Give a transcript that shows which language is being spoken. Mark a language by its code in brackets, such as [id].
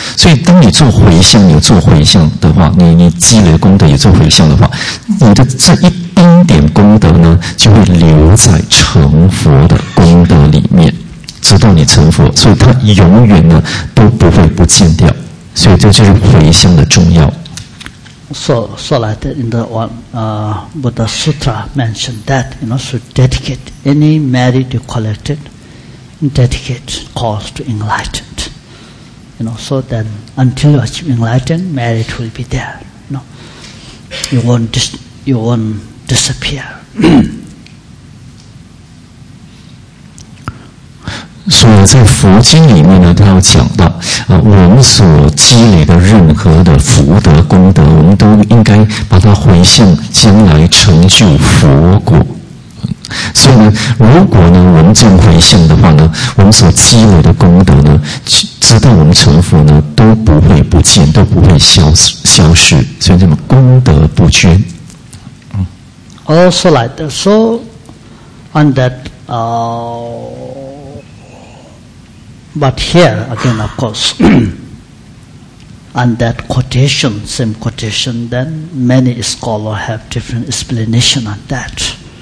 [zh] 所以当你做回向，有做回向的话，你积累功德，有做回向的话，你的这一丁点功德呢就会留在成佛的功德里面，直到你成佛，所以它永远呢都不会不见掉，所以这就是回向的重要。 [en] So like that in the one Buddha Sutra mentioned that, you know, should dedicate any merit you collected, dedicate cause to enlightened. You know, so then until you achieve enlightened, merit will be there. You know, you won't disappear. [zh] 所以在佛经里面呢，他要讲到我们所积累的任何的福德功德，我们都应该把它回向将来成就佛果，所以如果呢我们这样回向的话呢，我们所积累的功德呢，直到我们成佛呢，都不会不见，都不会消失，所以这么功德不缺。 [en] Also like that. So on that but here again of course on that quotation, same quotation, then many scholars have different explanation on that.